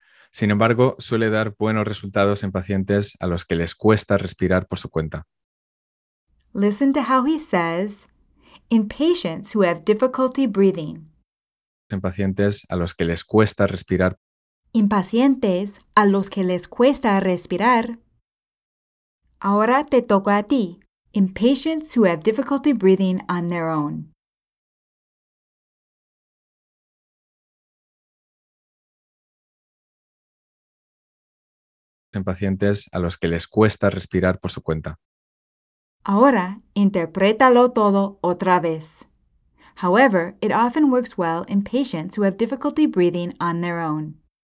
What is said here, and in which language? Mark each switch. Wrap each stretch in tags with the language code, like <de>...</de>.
<es>Sin embargo, suele dar buenos resultados en pacientes a los que les cuesta respirar por su cuenta.</es> <en>Listen to how he says, in patients who have difficulty breathing.</en> <es>En pacientes a los que les cuesta respirar. En pacientes a los que les cuesta respirar. Ahora te toca a ti.</es> <en>In patients who have difficulty breathing on their own.</en> <es>En pacientes a los que les cuesta respirar por su cuenta. Ahora, interprétalo todo otra vez.</es> <en>However, it often works well in patients who have difficulty breathing on their own.</en>